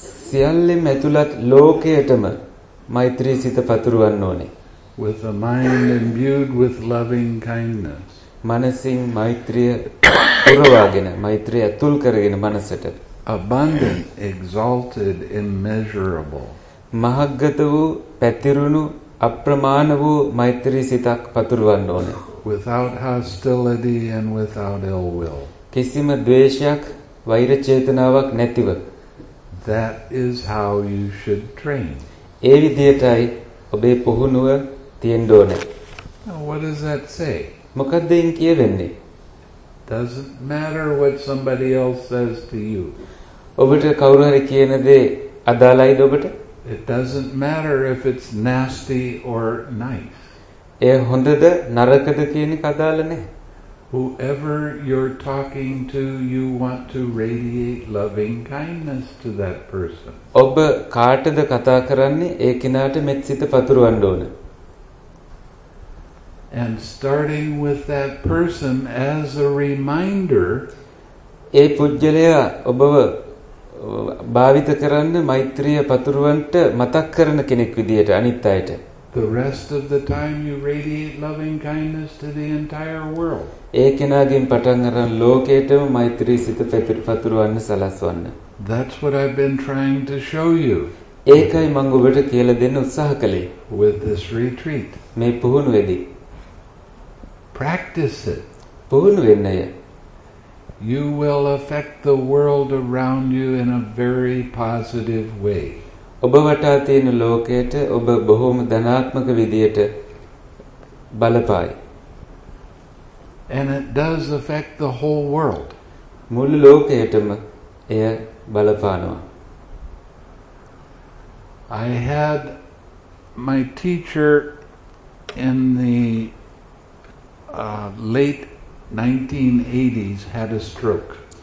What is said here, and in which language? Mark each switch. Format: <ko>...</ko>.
<si>සියල්ලෙම ඇතුළත් ලෝකයටම මෛත්‍රී සිත පතුරවන්න ඕනේ</si> <en>with a mind imbued with loving kindness</en> <si>මනසින් මෛත්‍රිය පුරවාගෙන මෛත්‍රිය ඇතුල් කරගෙන මනසට</si> <en>abundant exalted immeasurable</en> <si>මහග්ගත වූ පැතිරුණු අප්‍රමාණ වූ මෛත්‍රී සිතක් පතුරවන්න ඕනේ</si> <en>without hostility and without ill will</en> <si>කිසිම ද්වේෂයක් වෛර චේතනාවක් නැතිව</si> <en>that is how you should train</en> <si>ඒ විදිහටයි ඔබේ පුහුණුව තියෙන්න ඕනේ</si> <en>what does that say</en> <si>මොකද ඒ කියවෙන්නේ</si> <en>doesn't matter what somebody else says to you</en> <si>ඔබට කවුරු හරි කියන දේ අදාළයිද ඔබට</si> <en>it doesn't matter if it's nasty or nice</en> <si>ඒ හොඳද නරකද කියන කතාව නෙ</si> <en>whoever you're talking to, you want to radiate loving kindness to that person.</en> <si>ඔබ කාටද කතා කරන්නේ ඒ කෙනාට මෙත් සිත පතුරවන්න ඕන.</si> <en>And starting with that person as a reminder,</en> <si>ඒ පුජ්‍යලයා ඔබව භාවිත කරන්න මෛත්‍රිය පතුරවන්න මතක් කරන කෙනෙක් විදියට අනිත් අයට.</si> <en>The rest of the time you radiate loving kindness to the entire world.</en> <si>ඒකිනාගින් පටන් ගන්න ලෝකයටම මෛත්‍රී සිත පතුරවන්න සලස්වන්න.</si> <en>That's what I've been trying to show you.</en> <si>ඒකයි මම ඔබට කියලා දෙන්න උත්සාහ කළේ.</si> <en>With this retreat.</en> <si>මේ පුහුණුවේදී.</si> <en>Practice it.</en> <si>පුහුණුවෙන්නය.</si> <en>You will affect the world around you in a very positive way.</en> <si>ඔබ වටා තියෙන ලෝකයට ඔබ බොහොම ධනාත්මක විදියට බලපායි.</si> <en>And it does affect the whole world.</en> <si>මුළු ලෝකයටම එය බලපානවා.</si> <en>I had my teacher in the late 1980s had a stroke.</en>